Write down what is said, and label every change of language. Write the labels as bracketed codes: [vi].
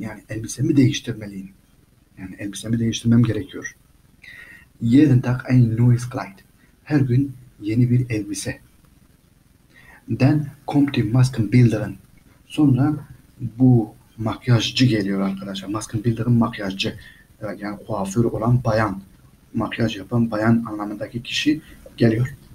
[tr] Yani elbisemi değiştirmeliyim. Yani elbisemi değiştirmem gerekiyor. [de] Jeden Tag ein neues Kleid. [tr] Her gün yeni bir elbise. [de] Dann kommt die Maskenbildnerin. [tr] Sonra bu makyajcı geliyor arkadaşlar. Maskenbildnerin makyajcı. Yani kuaför olan bayan. Makyaj yapan bayan anlamındaki kişi geliyor.